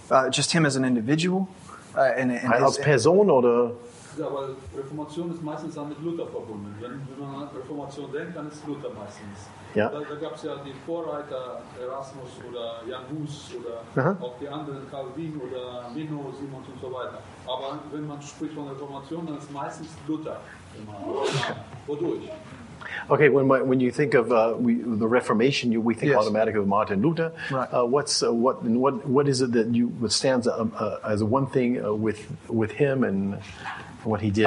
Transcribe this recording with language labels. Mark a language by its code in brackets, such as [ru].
[en] Just him as an individual, [de] and als Person oder. Ja, weil Reformation ist meistens dann mit Luther verbunden. Wenn man an Reformation denkt, dann ist Luther meistens. Ja. Da gab es ja die Vorreiter Erasmus oder Jan Hus oder auch die anderen Calvin oder Menno, Simons und so weiter. Aber wenn man spricht von Reformation, dann ist meistens Luther. Wodurch? [en] Okay, when you think of the Reformation, we think automatically of Martin Luther. Right. What is it that you stands as one thing with him and what he did?